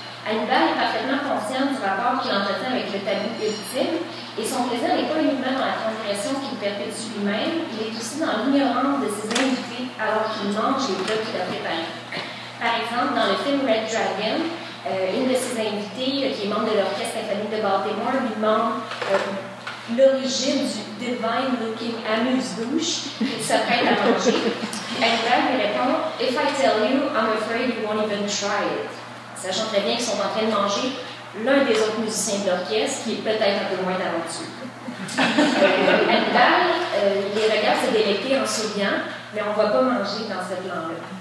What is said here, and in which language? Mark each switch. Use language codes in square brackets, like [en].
[fr] Annabelle est parfaitement consciente du rapport qu'il entretient avec le tabou ultime, et son plaisir n'est pas uniquement dans la transgression qu'il perpétue lui-même, il est aussi dans l'ignorance de ses invités alors qu'il mange les plats qu'il a préparés. Par exemple, dans le film Red Dragon, une de ses invités, qui est membre de l'orchestre symphonique de Baltimore, lui demande l'origine du [en] divine looking [fr] amuse-bouche qu'il s'apprête à manger. Annabelle lui répond, [en] If I tell you, I'm afraid you won't even try it. [fr] Sachant très bien qu'ils sont en train de manger l'un des autres musiciens de l'orchestre, qui est peut-être un peu moins talentueux. Annabelle les regarde se délecter en souriant, mais on ne va pas manger dans ce plan-là.